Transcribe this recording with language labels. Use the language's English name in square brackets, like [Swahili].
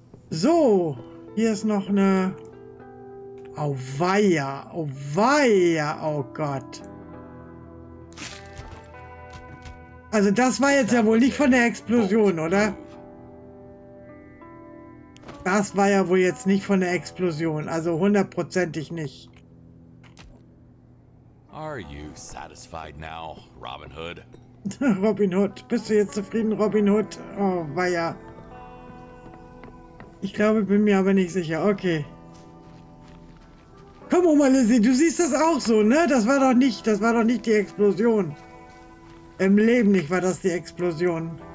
[German] So, hier ist noch eine... Auweia, auweia, oh Gott. Also das war jetzt ja wohl nicht von der Explosion, oder? Das war ja wohl jetzt nicht von der Explosion, also hundertprozentig nicht. [English] Are you satisfied now, Robin Hood? [German] Robin Hood, bist du jetzt zufrieden, Robin Hood? Oh, weia. Ich glaube, bin mir aber nicht sicher. Okay. Komm, Oma Lizzie, du siehst das auch so, ne? Das war doch nicht die Explosion. Im Leben nicht war das die Explosion.